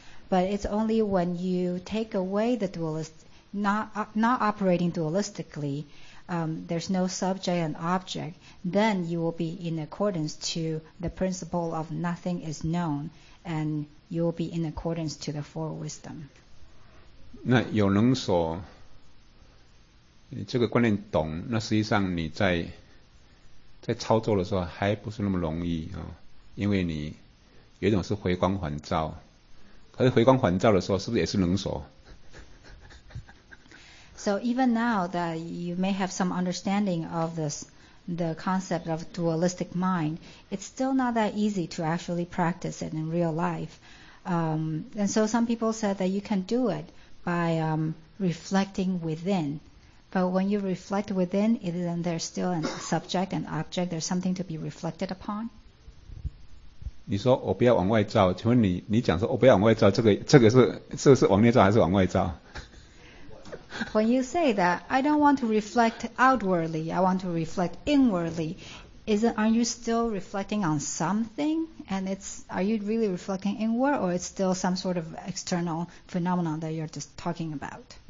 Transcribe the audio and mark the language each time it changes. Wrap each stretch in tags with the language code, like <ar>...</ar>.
<en>But it's only when you take away the dualist, not operating dualistically, there's no subject and object, then you will be in accordance to the principle of nothing is known, and you will be in accordance to the four wisdom.</en> <zh>那有人说这个观念懂，那实际上你在操作的时候还不是那么容易啊，因为你有一种是回光返照，可是回光返照的时候是不是也是能说？</zh> <en>So even now that you may have some understanding of this, the concept of dualistic mind, it's still not that easy to actually practice it in real life. And so some people said that you can do it by reflecting within. But when you reflect within, isn't there still a subject and object? There's something to be reflected upon.</en> <zh>你说我不要往外照，请问你讲说我不要往外照，这个是往内照还是往外照？</zh> <en>When you say that I don't want to reflect outwardly, I want to reflect inwardly, aren't you still reflecting on something? And are you really reflecting inward, or it's still some sort of external phenomenon that you're just talking about?</en>